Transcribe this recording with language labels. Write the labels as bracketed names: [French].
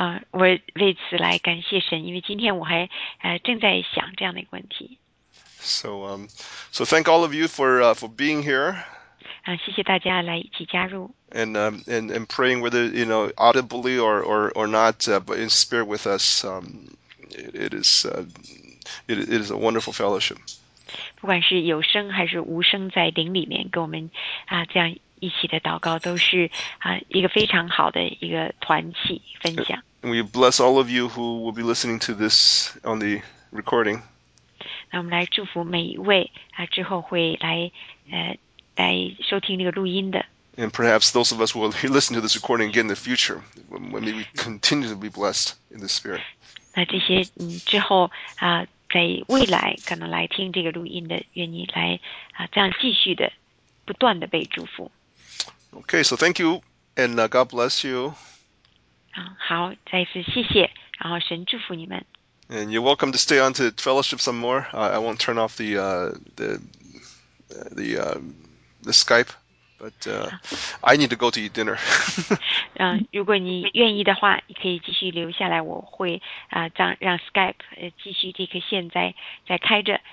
[Chinese] 我为此来感谢神，因为今天我还正在想这样的一个问题。 [English] So thank all of you for being here. [Chinese] 谢谢大家来一起加入。 [English] And praying whether you know audibly or not, but in spirit with us, it is a wonderful fellowship. [Chinese] 不管是有声还是无声，在灵里面跟我们这样一起的祷告，都是一个非常好的一个团契分享。 [English] We bless all of you who will be listening to this on the recording. [Chinese] 那我们来祝福每一位之后会来收听这个录音的。 [English] And perhaps those of us will listen to this recording again in the future, when we continue to be blessed in the spirit. [Chinese] 那这些之后在未来可能来听这个录音的，愿你来这样继续的不断的被祝福。 [English] Okay, so thank you and God bless you. [Chinese] 好，再一次谢谢，然后神祝福你们。 [English] And you're welcome to stay on to fellowship some more. I won't turn off the Skype, but I need to go to eat dinner. [Chinese] 如果你愿意的话，你可以继续留下来，我会让 Skype 继续这个线在开着。